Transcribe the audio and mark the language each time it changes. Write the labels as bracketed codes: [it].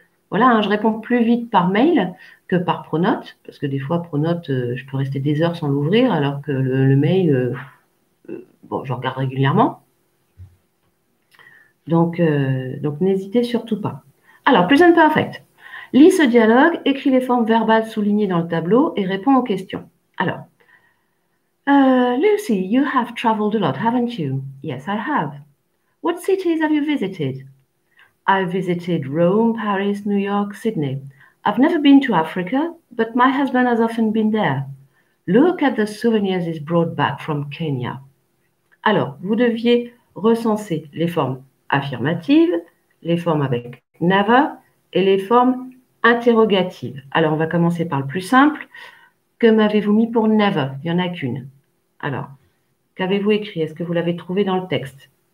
[fr] Voilà, hein, je réponds plus vite par mail que par Pronote, parce que des fois, Pronote, je peux rester des heures sans l'ouvrir, alors que le mail, je regarde régulièrement. Donc, n'hésitez surtout pas. Alors, Present Perfect. Lis ce dialogue, écris les formes verbales soulignées dans le tableau et réponds aux questions. [en] Alors, Lucy, you have traveled a lot, haven't you? Yes, I have. What cities have you visited? I've visited Rome, Paris, New York, Sydney. I've never been to Africa, but my husband has often been there. Look at the souvenirs he's brought back from Kenya. [fr] Alors, vous deviez recenser les formes affirmatives, les formes avec never et les formes interrogatives. Alors, on va commencer par le plus simple. Que m'avez-vous mis pour never? Il n'y en a qu'une. Alors, qu'avez-vous écrit? Est-ce que vous l'avez trouvé dans le texte?